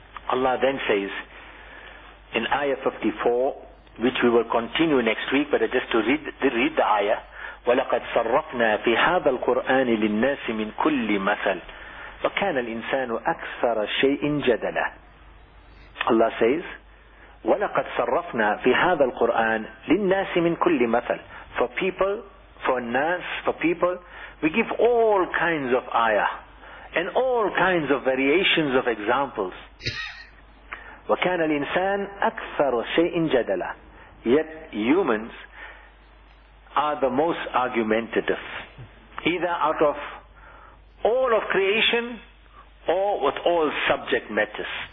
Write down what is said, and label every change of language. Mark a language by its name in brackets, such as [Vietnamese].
[English] Allah then says in ayah 54, which we will continue next week, but just to read the ayah, [Arabic] وَلَقَدْ صَرَّفْنَا فِي هَذَا الْقُرْآنِ لِلنَّاسِ مِنْ كُلِّ مَثَلٍ وَكَانَ الْإِنسَانُ أَكْثَرَ شَيْءٍ جَدَلًا. [English] Allah says, [Arabic] وَلَقَدْ صَرَّفْنَا فِي هَذَا الْقُرْآنِ لِلنَّاسِ مِنْ كُلِّ مَثَلٍ. [English] For people, for nas, for people, we give all kinds of ayah and all kinds of variations of examples. [Arabic] وَكَانَ الْإِنسَانُ أَكْثَرَ شَيْءٍ جَدَلًا. [English] Yet humans are the most argumentative, either out of all of creation or with all subject matters.